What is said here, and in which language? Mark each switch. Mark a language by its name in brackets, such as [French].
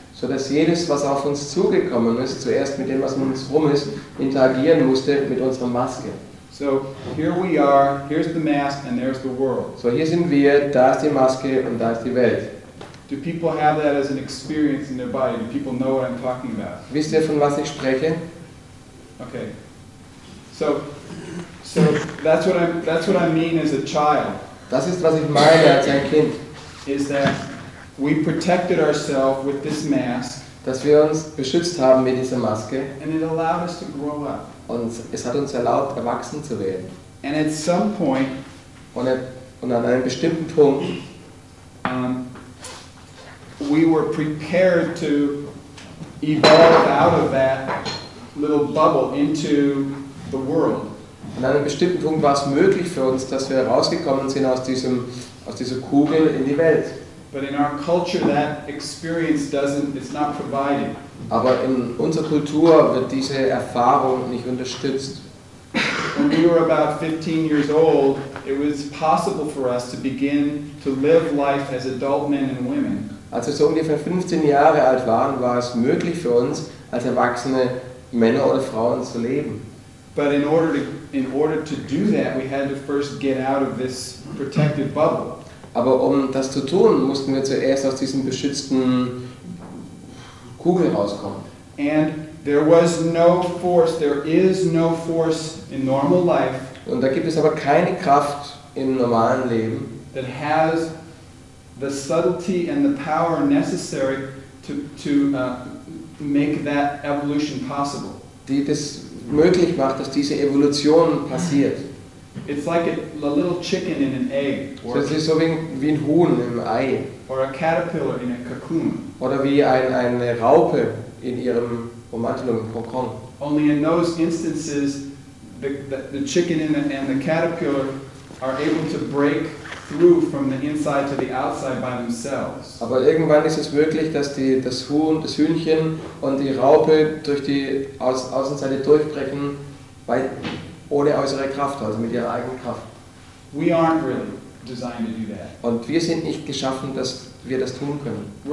[German] So dass jedes, was auf uns zugekommen ist, zuerst mit dem, was um uns herum ist, interagieren musste mit unserer Maske. [English] So here we are, here's the mask, and there's the world. [German] So hier sind wir, da ist die Maske und da ist die Welt. [English] Do people have that as an experience in their body? Do people know what I'm talking about? [German] Wisst ihr, von was ich spreche? [English] Okay. So that's what I mean as a child. [German] Das ist, was ich meine als ein Kind. [English] Is that we protected ourselves with this mask. [German] Dass wir uns beschützt haben mit dieser Maske. [English] And it allowed us to grow up. [German] Und es hat uns erlaubt, erwachsen zu werden. [English] And at some point, [German] und an einem bestimmten Punkt, [English] we were prepared to evolve out of that little bubble into the world. [German] An einem bestimmten Punkt war es möglich für uns, dass wir rausgekommen sind aus dieser Kugel in die Welt. [English] But in our culture, that experience is not provided. [German] Aber in unserer Kultur wird diese Erfahrung nicht unterstützt. [English] When we were about 15 years old, it was possible for us to begin to live life as adult men and women. [German] Als wir so ungefähr 15 Jahre alt waren, war es möglich für uns, als erwachsene Männer oder Frauen zu leben. [English] But in order to do that, we had to first get out of this protected bubble. [German] Aber um das zu tun, mussten wir zuerst aus diesem beschützten Kugel rauskommen. [English] And there was no force, there is no force in normal life. [German] Und da gibt es aber keine Kraft im normalen Leben. [English] That has the subtlety and the power necessary to make that evolution possible. [German] Die das möglich macht, dass diese Evolution passiert. [English] It's like a little chicken in an egg. [German] Or so, es ist so wie ein Huhn im Ei. [English] Or a caterpillar in a cocoon. [German] Oder wie eine Raupe in ihrem Ummantelung, im Kokon. [English] Only in those instances, the chicken and the caterpillar are able to break through from the inside to the outside by themselves. [German] Aber irgendwann ist es möglich, dass das Huhn, das Hühnchen und die Raupe durch die Außenseite durchbrechen, ohne äußere Kraft, also mit ihrer eigenen Kraft. [English] We aren't really designed to do that. [German] Und wir sind nicht geschaffen, dass wir das tun können.